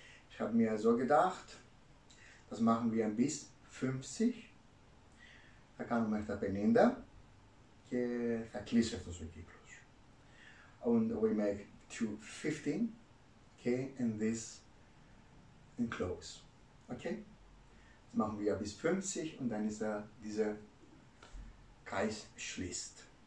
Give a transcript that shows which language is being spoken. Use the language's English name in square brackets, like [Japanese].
[German] Ich habe mir so gedacht, das machen wir bis 50. [Greek] Θα κάνουμε μέχρι τα 50 και θα κλείσει αυτός ο κύκλος. [English] And we make to 15, okay, and this and close. Okay? [German] Das machen wir bis 50 und dann ist dieser Kreis schließt.